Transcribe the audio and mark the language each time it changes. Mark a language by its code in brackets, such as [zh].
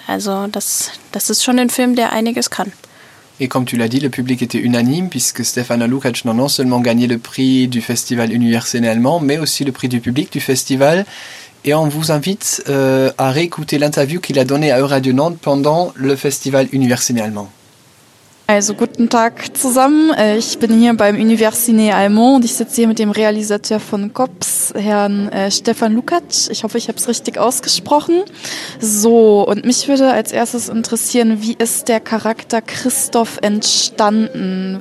[de] Also das ist schon ein Film, der einiges kann. [fr] Et comme tu l'as dit, le public était unanime puisque Stefana Lukács n'a non seulement gagné le prix du festival Université Allemand, mais aussi le prix du public du festival. Et on vous invite à réécouter l'interview qu'il a donnée à Euradio Nantes pendant le festival Université Allemand. [de] Also guten Tag zusammen. Ich bin hier beim Université Allemand. Ich sitze hier mit dem Realisateur von COPS, Herrn Stefan Lukács. Ich hoffe, ich habe es richtig ausgesprochen. So, und mich würde als erstes interessieren, wie ist der Charakter Christoph entstanden?